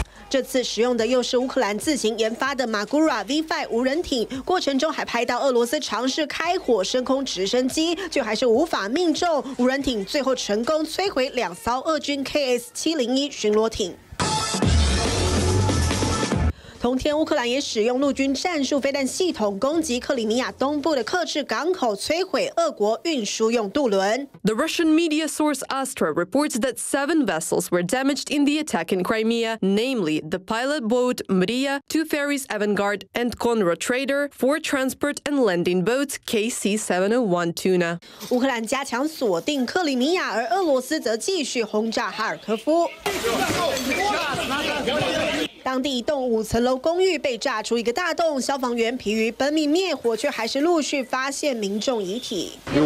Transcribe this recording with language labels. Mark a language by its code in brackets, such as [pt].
[zh] 这次使用的又是乌克兰自行研发的 Magura V5 无人艇，过程中还拍到俄罗斯尝试开火升空直升机，却还是无法命中。无人艇最后成功摧毁两艘俄军 KS-701 巡逻艇。同天，乌克兰也使用陆军战术飞弹系统攻击克里米亚东部的克制港口，摧毁俄国运输用渡轮。 [en] The Russian media source Astra reports that 7 vessels were damaged in the attack in Crimea, namely the pilot boat Maria, 2 ferries Avangard and Conro Trader, 4 transport and landing boats KC-701 Tuna. [zh] 乌克兰加强锁定克里米亚，而俄罗斯则继续轰炸哈尔科夫。当地一栋5层楼公寓被炸出一个大洞，消防员疲于奔命灭火，却还是陆续发现民众遗体。